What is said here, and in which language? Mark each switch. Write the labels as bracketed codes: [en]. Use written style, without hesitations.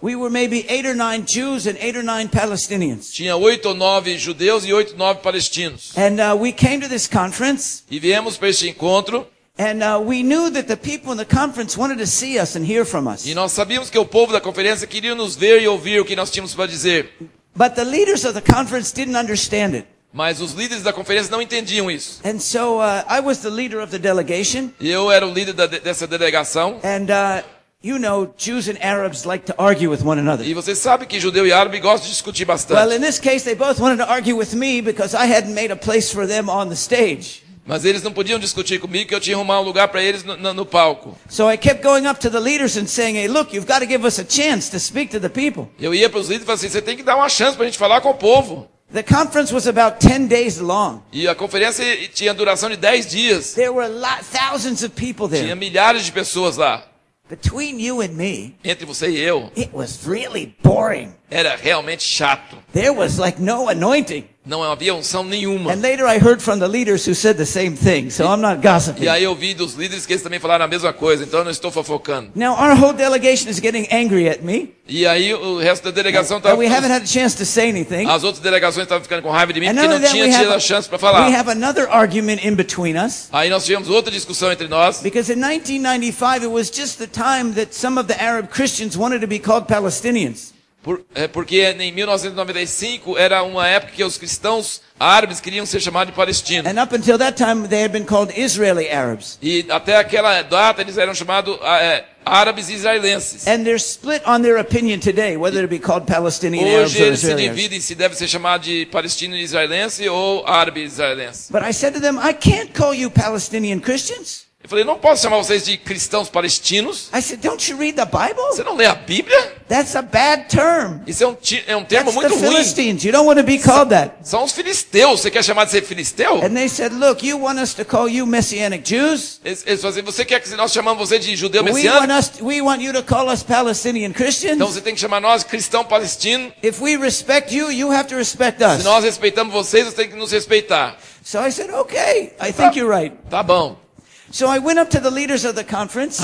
[en] We were maybe 8 or 9 Jews and 8 or 9 Palestinians. [pt] Tinha 8 ou 9 judeus e 8 ou 9 palestinos. [en] And we came to this conference. [pt] E viemos para este encontro. [en] And we knew that the people in the conference wanted to see us and hear from us. [pt] E nós sabíamos que o povo da conferência queria nos ver e ouvir o que nós tínhamos para dizer. [en] But the leaders of the conference didn't understand it. [pt] Mas os líderes da conferência não entendiam isso. [en] And so I was the leader of the delegation. [pt] E eu era o líder dessa delegação. [en] And you know, Jews and Arabs like to argue with one another. [pt] E você sabe que judeu e árabe gostam de discutir bastante. [en] Well, in this case, they both wanted to argue with me because I hadn't made a place for them on the stage. [pt] Mas eles não podiam discutir comigo, que eu tinha arrumado um lugar para eles no palco. [en] So I kept going up to the leaders and saying, "Hey, look, you've got to give us a chance to speak to the people." [pt] Eu ia para os líderes e falava assim: "Você tem que dar uma chance para a gente falar com o povo." [en] The conference was about 10 days long. [pt] E a conferência tinha duração de 10 dias. [en] There were thousands of people there. [pt] Tinha milhares de pessoas lá. [en] Between you and me, [pt] entre você e eu, [en] it was really boring. [pt] Era realmente chato. [en] There was like no anointing. [pt] Não havia unção nenhuma. [en] And later I heard from the leaders who said the same thing, so I'm not gossiping. [pt] E aí eu ouvi dos líderes que eles também falaram a mesma coisa, então eu não estou fofocando. [en] Now our whole delegation is getting angry at me. [pt] E aí o resto da delegação estava. [en] We haven't had a chance to say anything. [pt] As outras delegações estavam ficando com raiva de mim porque não tinha tido a chance para falar. [en] We have another argument in between us. [pt] Aí nós tivemos outra discussão entre nós. [en] Because in 1995 it was just the time that some of the Arab Christians wanted to be called Palestinians. [pt] Porque em 1995 era uma época que os cristãos árabes queriam ser chamados de palestinos. [en] And up until that time, they had been called Israeli Arabs. [pt] E até aquela data eles eram chamados árabes israelenses. [en] And they're split on their opinion today whether to be called Palestinian Arabs or Israelis. [pt] Hoje eles se dividem se deve ser chamado de palestino israelense ou árabe israelense. [en] But I said to them, I can't call you Palestinian Christians. [pt] Eu falei, não posso chamar vocês de cristãos palestinos. [en] I said, don't you read the Bible? [pt] Você não lê a Bíblia? [en] That's a bad term. [pt] Isso é um termo [en] That's [pt] muito [en] the [pt] ruim. [en] Philistines. You don't want to be called that. [pt] São os filisteus. Você quer chamar de ser filisteu? [en] And they said, look, you want us to call you messianic Jews? [pt] Eles falaram, você quer que nós chamamos você de judeu messiânico? [en] We want you to call us Palestinian Christians. [pt] Então você tem que chamar nós cristão palestino. [en] If we respect you, you have to respect us. [pt] Se nós respeitamos vocês, vocês têm que nos respeitar. [en] So I said, okay, I think you're right. [pt] Tá bom. [en] So I went up to the leaders of the conference.